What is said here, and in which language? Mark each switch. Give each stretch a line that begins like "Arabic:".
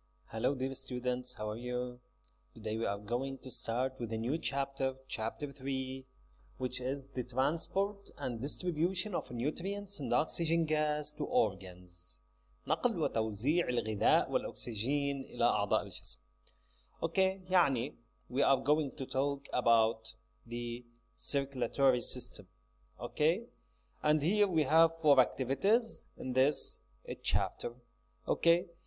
English: Hello dear students, how are you? Today we are going to start with a new chapter, chapter 3, which is the transport and distribution of nutrients and oxygen gas to organs.
Arabic: نقل وتوزيع الغذاء والأكسجين إلى أعضاء الجسم.
English: Okay, يعني we are going to talk about the circulatory system. Okay, and here we have four activities in this chapter. Okay.